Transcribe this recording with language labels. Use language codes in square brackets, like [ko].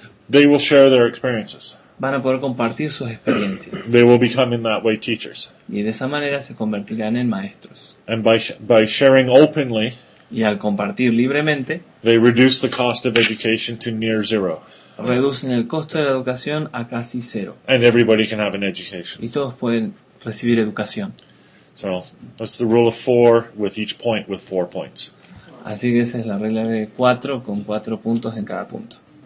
[en] they will share their experiences. [es] van a poder compartir sus experiencias. [en] They will become in that way teachers. [es] Y de esa manera se convertirán en maestros. [en] And by sharing openly, [es] y al compartir libremente, [en] they reduce the cost of education to near zero. [es] Reducen el costo de la educación a casi cero. [en] And everybody can have an education. [es] Y todos pueden recibir educación. [en] So, that's the rule of four with each point with four points. [es] Así que esa es la regla de cuatro con cuatro puntos en cada punto.